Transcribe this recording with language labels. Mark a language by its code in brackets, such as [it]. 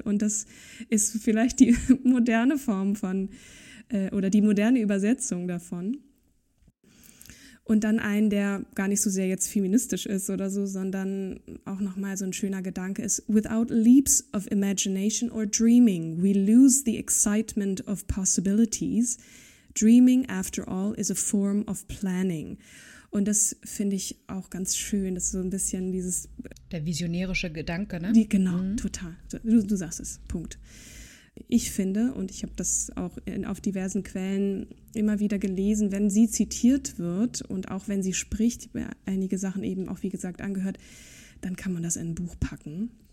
[de] Und das ist vielleicht die moderne Form von, oder die moderne Übersetzung davon. Und dann einen, der gar nicht so sehr jetzt feministisch ist oder so, sondern auch nochmal so ein schöner Gedanke ist, [en] without leaps of imagination or dreaming, we lose the excitement of possibilities. Dreaming, after all, is a form of planning. [de] Und das finde ich auch ganz schön, das ist so ein bisschen dieses... Der visionärische Gedanke, ne? Genau, total. Du sagst es, Punkt. Ich finde, und ich habe das auch auf diversen Quellen immer wieder gelesen, wenn sie zitiert wird und auch wenn sie spricht, einige Sachen eben auch wie gesagt angehört, dann kann man das in ein Buch packen.